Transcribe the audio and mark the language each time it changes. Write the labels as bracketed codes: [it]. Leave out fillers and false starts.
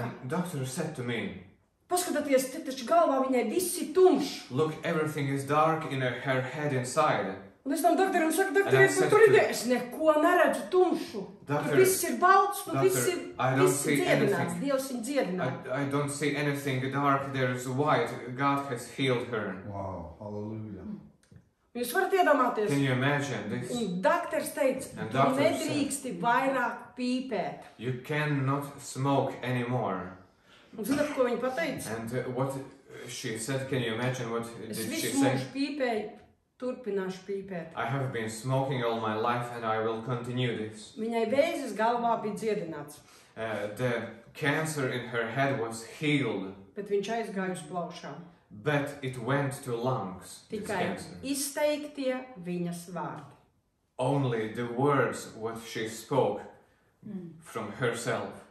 [en] And doctor said to me. [lv] Paskatāties, te taču galvā viņai viss ir tumšs. [en] Look, everything is dark in her head inside. [lv] Un es tam doktoram saku, doktor, es tur ir, es neko neredzu tumšu. Tur viss ir balts, tur viss ir dziedināts, Dievs viņu dziedināja. [en] I don't see anything dark, there is white, God has healed her. Wow, hallelujah. [lv] Jūs varat iedomāties? [en] Can you imagine this? [lv] Un doktors teica, tu nedrīksti vairāk pīpēt. [en] You cannot smoke anymore. [lv] Un zināt, ko viņa pateica? [en] And what she said, can you imagine what did she say? [lv] Es visu mūžu pīpēju. Turpināšu pīpēt. [en] I have been smoking all my life and I will continue this. [lv] Viņai vēzis galvā bija dziedināts. [en] The cancer in her head was healed. [lv] Bet viņš aizgāja uz plaušām. [en] But it went to lungs. [lv] Tikai izteiktie viņas vārdi. [en] Only the words what she spoke from herself.